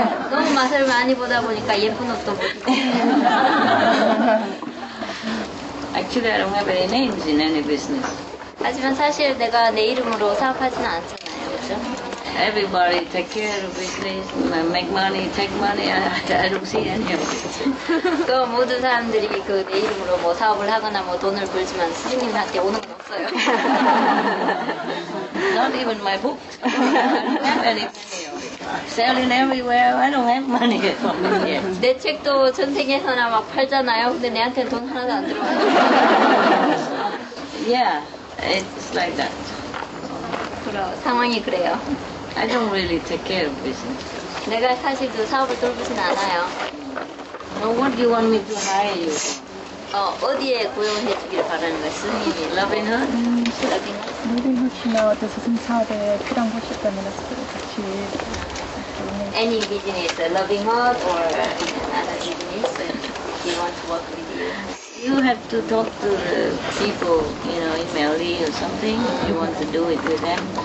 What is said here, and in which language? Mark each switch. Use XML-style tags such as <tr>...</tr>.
<ko>너무 맛을 많이 보다 보니까 예쁜 옷도 못 입고.</ko> <en>Actually, I don't have any names in any business.</en> <ko>하지만 사실 내가 내 이름으로 사업하지는 않잖아요, 그렇죠?</ko> <en>Everybody take care of business, make money, take money. I don't see any of it.</en> <ko>또 모든 사람들이 그 내 이름으로 뭐 사업을 하거나 뭐 돈을 벌지만 스승님한테 오는 건 없어요.</ko> <en>Not even my book. I don't have any money. Selling everywhere. I don't have money at all.</en> <ko>내 책도 전 세계에서나 막 팔잖아요. 근데 내한테 돈 하나도 안 들어와요.</ko> <en>Yeah. It's like that.</en> <ko>상황이 그래요.</ko> <en>I don't really take care of business.</en> <ko>내가 사실 그 사업을 돌보진 않아요.</ko> <en>Well, what do you want me to hire you?</en> <ko>어디에 고용해 주길 바라는 거야, 스님이?</ko> <en>Loving her? Loving her.</en> <ko>모빌루시나 어디서 좀 사업에 필요한 곳이 있다면 같이 같이.</ko> <en>Any business, loving her or another business, if you want to work with you. You have to talk to the people, you know, in Mali or something, if you want to do it with them.</en>